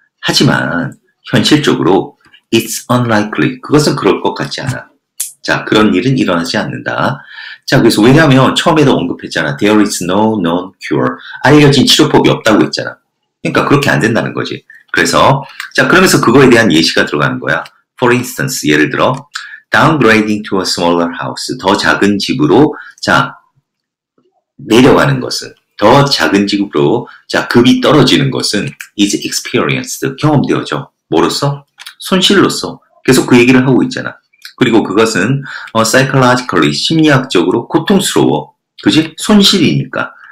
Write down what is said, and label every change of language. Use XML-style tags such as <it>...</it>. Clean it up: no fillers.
<ko>하지만 현실적으로</ko> <en>it's unlikely.</en> <ko>그것은 그럴 것 같지 않아. 자, 그런 일은 일어나지 않는다. 자, 그래서 왜냐하면 처음에도 언급했잖아.</ko> <en>There is no known cure.</en> <ko>알려진 치료법이 없다고 했잖아. 그러니까 그렇게 안 된다는 거지. 그래서 자, 그러면서 그거에 대한 예시가 들어가는 거야.</ko> <en>For instance,</en> <ko>예를 들어,</ko> <en>downgrading to a smaller house.</en> <ko>더 작은 집으로 자 내려가는 것은, 더 작은 집으로 자 급이 떨어지는 것은</ko> <en>is experienced.</en> <ko>경험되어져. 뭐로써? 손실로써. 계속 그 얘기를 하고 있잖아. 그리고 그것은</ko> <en>psychologically,</en> <ko>심리학적으로 고통스러워. 그지? 손실이니까.</ko>